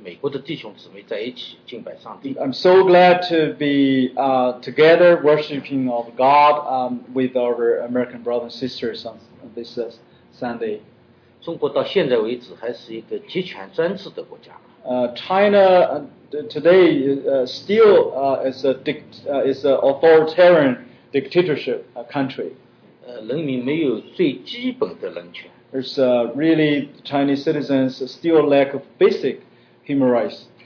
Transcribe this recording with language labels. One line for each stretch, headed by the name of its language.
Chinese: 非常高兴能在这个主日和美国的弟兄姊妹在一起敬拜上帝。
English: I'm so glad to be together worshiping of God with our American brothers and sisters on this Sunday.
Chinese: 中国到现在为止还是一个集权专制的国家。
English: China today still is an authoritarian dictatorship country.
Chinese: 人民没有最基本的人权。
English: There's really Chinese citizens still lack of basic human rights.